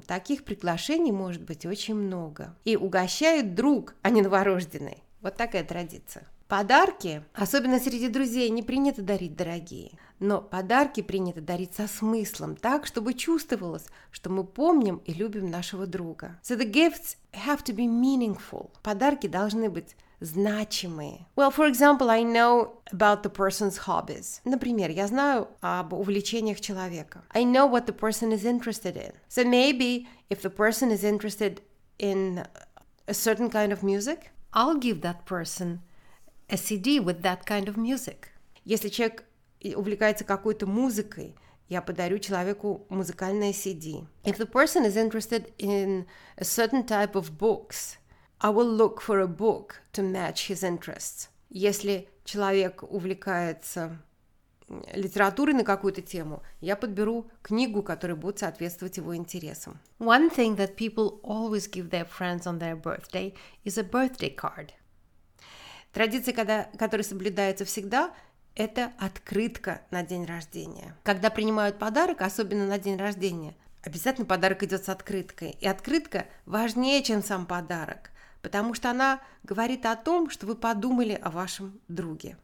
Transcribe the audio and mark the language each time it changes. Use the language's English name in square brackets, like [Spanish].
[Russian] Таких приглашений может быть очень много. И угощают друг, а не новорожденный. Вот такая традиция. Подарки, особенно среди друзей, не принято дарить дорогие, но подарки принято дарить со смыслом, так, чтобы чувствовалось, что мы помним и любим нашего друга. [English] So the gifts have to be meaningful. [Russian] Подарки должны быть значимые. [English] Well, for example, I know about the person's hobbies. [Russian] Например, я знаю об увлечениях человека. [English] I know what the person is interested in. So maybe if the person is interested in a certain kind of music, I'll give that person a CD with that kind of music. [Russian] Если человек увлекается какой-то музыкой, я подарю человеку музыкальное CD. [English] If the person is interested in a certain type of books, I will look for a book to match his interests. [Russian] Если человек увлекается литературой на какую-то тему, я подберу книгу, которая будет соответствовать его интересам. [English] One thing that people always give their friends on their birthday is a birthday card. [Russian] Традиция, которая соблюдается всегда, это открытка на день рождения. Когда принимают подарок, особенно на день рождения, обязательно подарок идет с открыткой. И открытка важнее, чем сам подарок, потому что она говорит о том, что вы подумали о вашем друге.